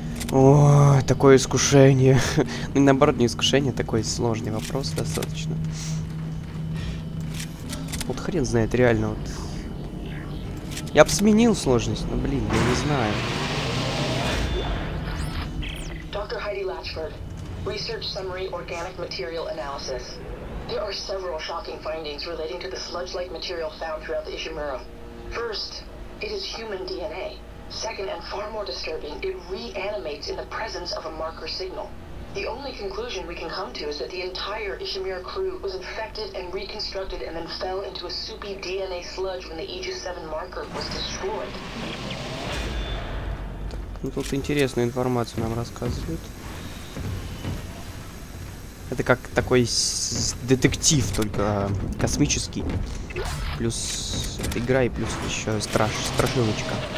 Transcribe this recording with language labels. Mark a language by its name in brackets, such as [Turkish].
[Russian] О, такое искушение. Ну, наоборот, не искушение, такой сложный вопрос достаточно. Вот хрен знает, реально, вот. Я бы сменил сложность, но, блин, я не знаю. [English] Доктор Хайди Латчфорд, research summary organic material analysis. There are several shocking findings relating to the sludge-like material found throughout the Ishimura. First, it is human DNA. Second, and far more disturbing, it reanimates in the presence of a marker signal. The only conclusion we can come to is that the entire Ishimura crew was infected and reconstructed and then fell into a soupy DNA sludge when the Aegis 7 marker was destroyed. [Russian] Ну тут интересную информацию нам рассказывают. Это как такой детектив, только космический. Плюс это игра и плюс еще страшилочка.